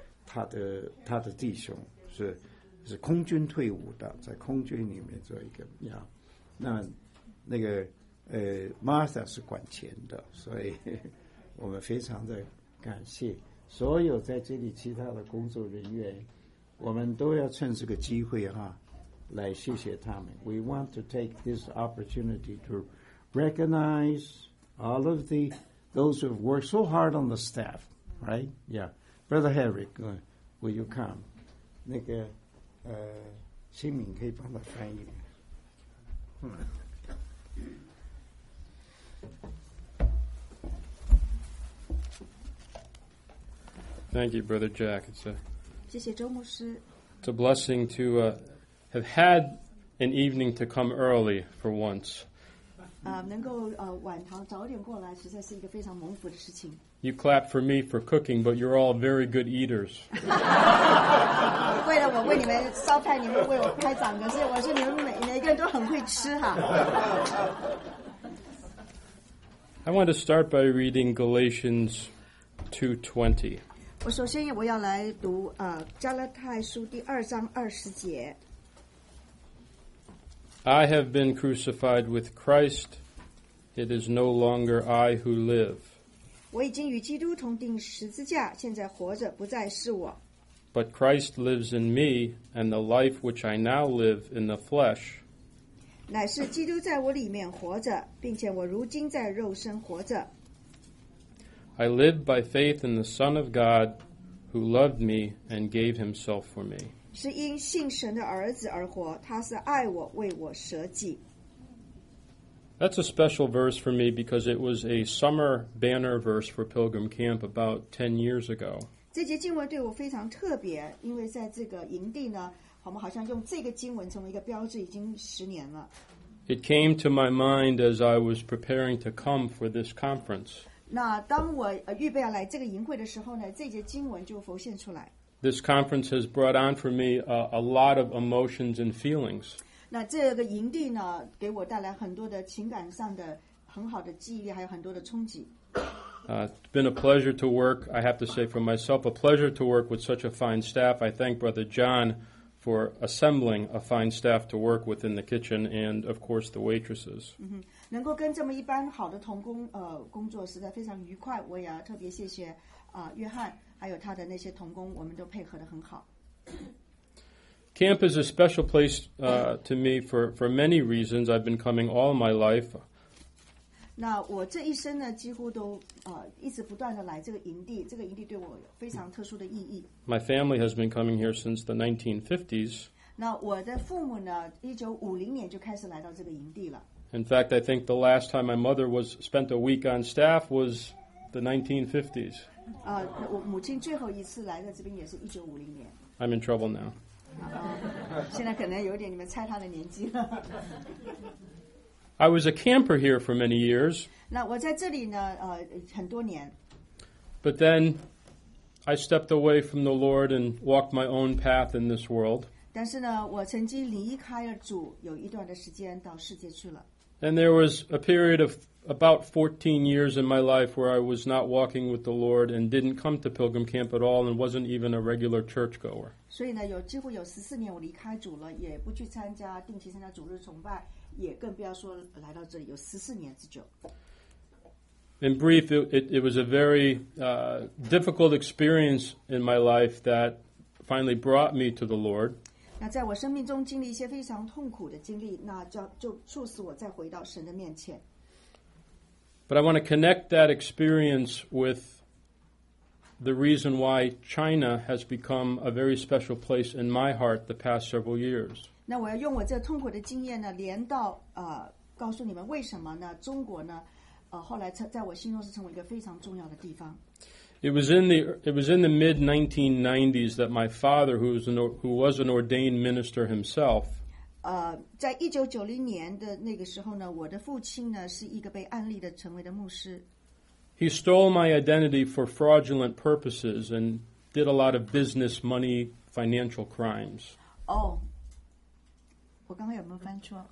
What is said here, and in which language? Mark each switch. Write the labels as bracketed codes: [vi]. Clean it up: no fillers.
[zh] 他的弟兄是空军退伍的，在空军里面做一个呀，那个Martha 是管钱的，所以我们非常的感谢所有在这里其他的工作人员，我们都要趁这个机会哈来谢谢他们。 [en] We want to take this opportunity to recognize all of the those who have worked so hard on the staff, right? Yeah.Brother Harry, will you come? [zh] 那个新敏可以帮他翻译。嗯， [en] Thank you, Brother Jack. It's a, [zh] 谢谢周牧师。 [en] It's a blessing to have had an evening to come early for once. [zh] 能够晚堂早点过来，实在是一个非常蒙福的事情。 [en] You clap for me for cooking, but you're all very good eaters. [zh] 为了我为你们烧菜，你们为我拍掌，可是我说你们每个人都很会吃哈。 [en] I want to start by reading Galatians 2:20. [zh] 我首先我要来读加拉太书第二章二十节。 [en] I have been crucified with Christ. It is no longer I who live. [zh] 我已经与基督同钉十字架，现在活着不再是我。 [en] But Christ lives in me, and the life which I now live in the flesh. [zh] 乃是基督在我里面活着，并且我如今在肉身活着。 [en] I live by faith in the Son of God who loved me and gave himself for me. [zh] 是因信神的儿子而活，他是爱我，为我舍己。 [en] That's a special verse for me because it was a summer banner verse for Pilgrim Camp about 10 years ago. [zh] 这节经文对我非常特别，因为在这个营地呢，我们好像用这个经文成为一个标志已经十年了。 [en] It came to my mind as I was preparing to come for this conference. [zh] 那当我预备要来这个营会的时候呢，这节经文就浮现出来。 [en] This conference has brought on for me a lot of emotions and feelings. [zh] 那这个营地呢，给我带来很多的情感上的很好的记忆，还有很多的冲击。 [en] It's been a pleasure to work, I have to say for myself, a pleasure to work with such a fine staff. I thank Brother John for assembling a fine staff to work with in the kitchen and, of course, the waitresses. Mm-hmm. [zh] 能够跟这么一般好的同工工作实在非常愉快，我也要特别谢谢约翰还有他的那些同工，我们都配合得很好。 [en] Camp is a special place to me for many reasons. I've been coming all my life. [zh] 那我这一生呢，几乎都一直不断的来这个营地，这个营地对我有非常特殊的意义。 [en] My family has been coming here since the 1950s. [zh] 那我的父母呢，1950年就开始来到这个营地了。 [en] In fact, I think the last time my mother was spent a week on staff was the 1950s. [zh] 我母亲最后一次来到这边也是1950年。 [en] I'm in trouble now. [zh] 现在可能有点你们猜她的年纪了。 [en] I was a camper here for many years. [zh] 那我在这里呢，很多年。 [en] But then I stepped away from the Lord and walked my own path in this world. [zh] 但是呢，我曾经离开了主，有一段的时间到世界去了。 [en] And there was a period of about 14 years in my life where I was not walking with the Lord and didn't come to Pilgrim Camp at all and wasn't even a regular churchgoer. [zh] 所以呢，有几乎有14年我离开主了，也不去参加定期参加主日崇拜，也更不要说来到这里有14年之久。 [en] In brief, it was a very difficult experience in my life that finally brought me to the Lord. [zh] 那在我生命中经历一些非常痛苦的经历，那就促使我再回到神的面前。 [en] But I want to connect that experience with the reason why China has become a very special place in my heart the past several years. [zh] 那我要用我这痛苦的经验呢，连到告诉你们为什么呢？中国呢，后来在我心中是成为一个非常重要的地方。 [en] It was in the mid-1990s that my father, who was an ordained minister himself, [zh] 在1990年的那个时候呢，我的父亲呢是一个被安利的成为的牧师。 [en] He stole my identity for fraudulent purposes and did a lot of business, money, financial crimes. [zh] Oh, 我刚刚有没有翻错？